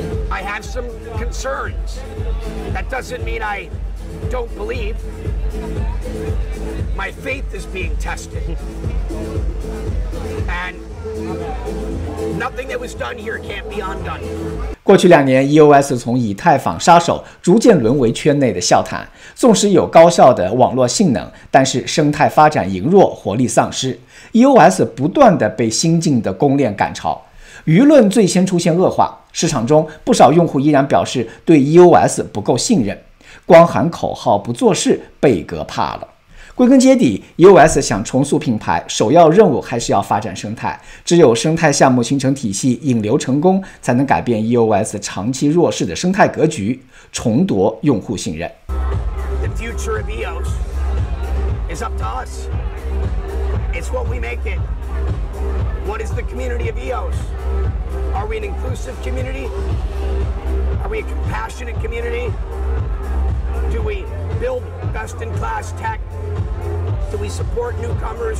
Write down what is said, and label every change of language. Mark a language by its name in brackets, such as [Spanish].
[English] I have some concerns. That doesn't mean I don't believe. My faith is being tested. And nothing that was done here can't be undone. [Chinese] 过去两年 ,EOS 从以太坊杀手逐渐沦为圈内的笑谈，纵使有高效的网络性能，但是生态发展羸弱，活力丧失。EOS 不断地被新进的公链赶超。舆论最先出现恶化，市场中不少用户依然表示对 EOS 不够信任，光喊口号不做事被割怕了。归根结底， EOS 想重塑品牌，首要任务还是要发展生态，只有生态项目形成体系，引流成功，才能改变 EOS 长期弱势的生态格局，重夺用户信任。 [English] The future of EOS is up to us. It's what we make it. What is the community of EOS? Are we an inclusive community? Are we a compassionate community? Do we build best in class tech? Do we support newcomers?